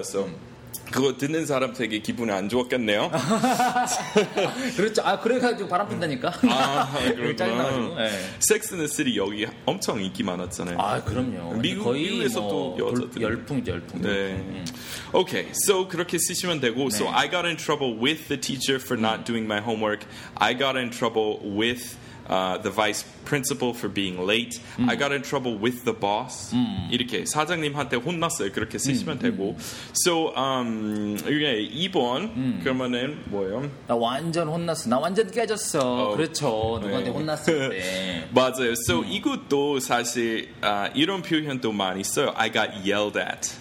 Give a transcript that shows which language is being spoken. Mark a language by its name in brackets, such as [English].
[Korean] So 그거 듣는 사람 되게 기분이 안 좋았겠네요. 그렇죠. 아 그래가지고 바람 핀다니까. 아 그렇죠. 짜증 나가지고. 네. Sex and the City 여기 엄청 인기 많았잖아요. 아 그럼요. 미국에서도 뭐 여자들 열풍이죠 열풍. 네. 오케이. So 그렇게 쓰시면 되고. [English] 네. So I got in trouble with the teacher for not doing my homework. I got in trouble with the vice principal for being late. I got in trouble with the boss. [Korean] 이렇게 사장님한테 혼났어요. 그렇게 쓰시면 되고. So 이게 2번 그러면은 뭐예요? 나 완전 혼났어. 나 완전 깨졌어. Oh, 그렇죠. 네. 누구한테 혼났을 때. 맞아요. So 이것도 사실 이런 표현도 많이 써요. [English] I got yelled at.